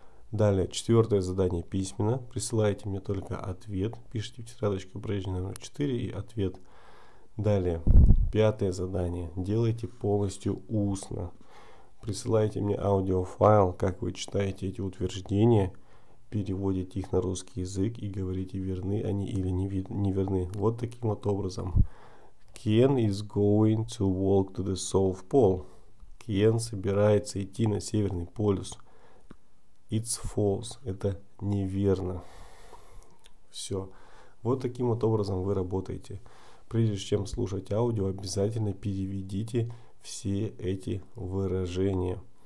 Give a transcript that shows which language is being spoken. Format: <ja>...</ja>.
<ru>Далее, четвертое задание письменно, присылайте мне только ответ, пишите в тетрадочке упражнение номер 4 и ответ. Далее, пятое задание. Делайте полностью устно. Присылайте мне аудиофайл, как вы читаете эти утверждения. переводите их на русский язык и говорите, верны они или не верны. Вот таким вот образом.</ru> <en>Ken is going to walk to the South Pole.</en> <ru>Ken собирается идти на Северный полюс.</ru> <en>It's false.</en> <ru>Это неверно. Все. Вот таким вот образом вы работаете. Прежде чем слушать аудио, обязательно переведите все эти выражения.</ru>